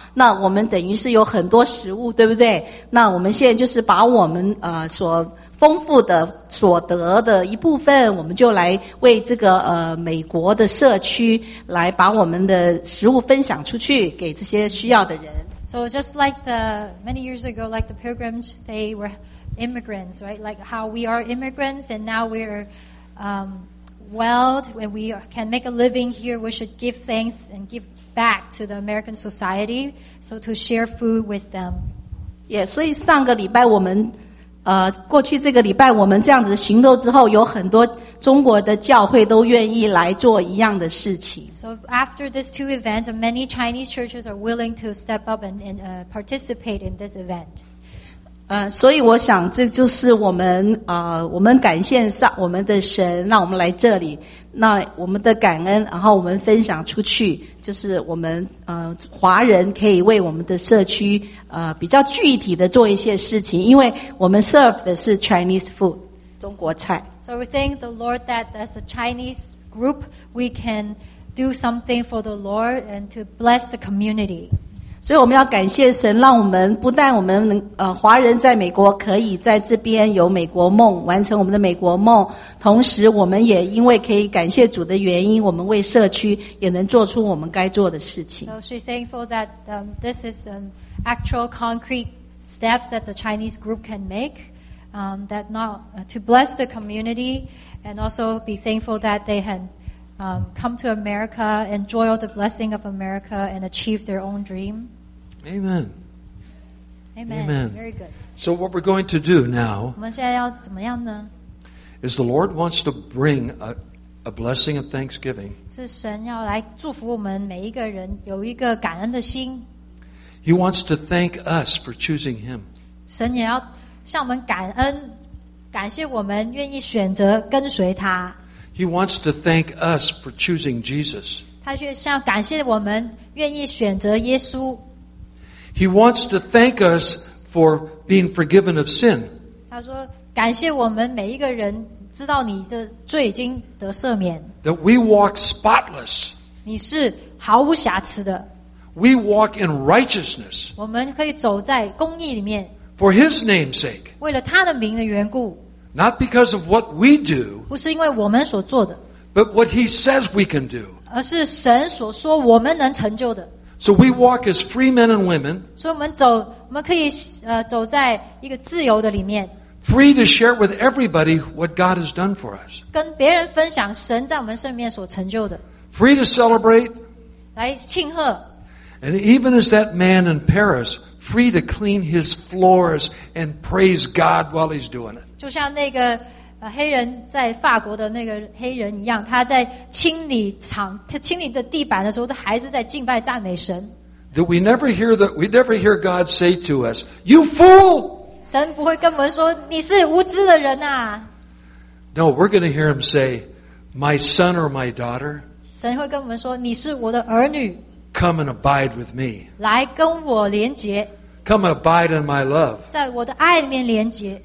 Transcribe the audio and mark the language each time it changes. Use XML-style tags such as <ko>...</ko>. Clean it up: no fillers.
<zh>那我们等于是有很多食物，对不对？那我们现在就是把我们所丰富的所得的一部分，我们就来为这个美国的社区来把我们的食物分享出去给这些需要的人。</zh> <en>So just like the many years ago, like the pilgrims, they were immigrants, right? Like how we are immigrants, and now we're when we can make a living here, we should give thanks and give back to the American society. So to share food with them.</en> <zh>Yeah, 所以上个礼拜我们过去这个礼拜我们这样子行动之后，有很多中国的教会都愿意来做一样的事情。</zh> <en>So after these two events, many Chinese churches are willing to step up and participate in this event.</en> <zh>所以我想这就是我们感谢上我们的神，让我们来这里，那我们的感恩，然后我们分享出去，就是我们华人可以为我们的社区比较具体的做一些事情，因为我们 serve 的是</zh> <en>Chinese food，</en> <zh>中国菜。</zh> <en>So we thank the Lord that as a Chinese group we can do something for the Lord and to bless the community。</en> <zh>所以我们要感谢神，让我们不但我们能华人在美国可以在这边有美国梦，完成我们的美国梦，同时我们也因为可以感谢主的原因，我们为社区也能做出我们该做的事情。</zh> <en>So she's thankful that this is an actual concrete steps that the Chinese group can make, that not to bless the community, and also be thankful that they can come to America, enjoy all the blessing of America, and achieve their own dream. Amen. Amen. Amen. Very good. So what we're going to do now,</en> <zh>我们现在要怎么样呢?</zh> <en>is the Lord wants to bring a blessing of thanksgiving.</en> <zh>是神要来祝福我们每一个人有一个感恩的心。</zh> <en>He wants to thank us for choosing Him.</en> <zh>神也要向我们感恩，感谢我们愿意选择跟随他。</zh> <en>He wants to thank us for choosing Jesus.</en> <zh>他却想感谢我们愿意选择耶稣。</zh> <en>He wants to thank us for being forgiven of sin.</en> <zh>他说感谢我们每一个人知道你的罪已经得赦免。</zh> <en>That we walk spotless.</en> <zh>你是毫无瑕疵的。</zh> <en>We walk in righteousness.</en> <zh>我们可以走在公义里面。</zh> <en>For his name's sake.</en> <zh>为了他的名的缘故。</zh> <en>Not because of what we do.</en> <zh>不是因为我们所做的。</zh> <en>But what he says we can do.</en> <zh>而是神所说我们能成就的。</zh> <en>So we walk as free men and women.</en> <zh>所以我们可以走在一个自由的里面。</zh> <en>Free to share with everybody what God has done for us.</en> <zh>跟别人分享神在我们生命所成就的。</zh> <en>Free to celebrate.</en> <zh>来庆贺。</zh> <en>And even as that man in Paris, free to clean his floors and praise God while he's doing it.</en> <zh>就像那个黑人在法国的那个黑人一样，他在清理场，他清理的地板的时候，他还是在敬拜赞美神。</zh> <en>That we never hear that we never hear God say to us, "You fool!"</en> <zh>神不会跟我们说你是无知的人啊。</zh> <en>No, we're going to hear him say, "My son or my daughter."</en> <zh>神会跟我们说你是我的儿女。</zh> <en>Come and abide with me.</en> <zh>来跟我连结。</zh> <en>Come and abide in my love.</en> <zh>在我的爱里面连结。</zh>